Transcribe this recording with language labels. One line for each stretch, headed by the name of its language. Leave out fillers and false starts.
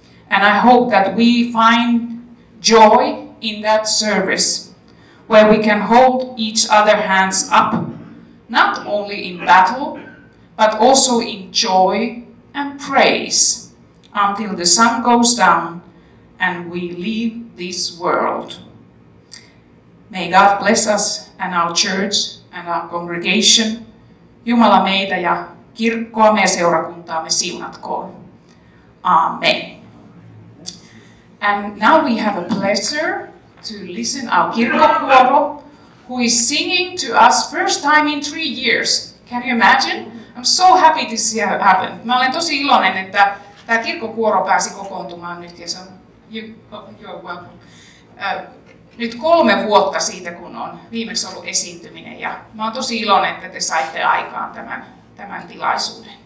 English: And I hope that we find joy in that service, where we can hold each other hands up, not only in battle, but also in joy and praise, until the sun goes down and we leave this world. May God bless us and our church and our congregation.
Finnish: Jumala meitä ja kirkkoamme ja seurakuntaamme siunatkoon.
English: Amen. And now we have a pleasure to listen our kirkkokuoro, who is singing to us first time in 3 years. Can you imagine? I'm so happy this happened.
Finnish: Mä olen tosi iloinen, että tämä kirkkokuoro pääsi kokoontumaan nyt. Ja se on,
English: you're welcome.
Finnish: Nyt 3 vuotta siitä, kun on viimeksi ollut esiintyminen, ja mä oon tosi iloinen, että te saitte aikaan tämän tilaisuuden.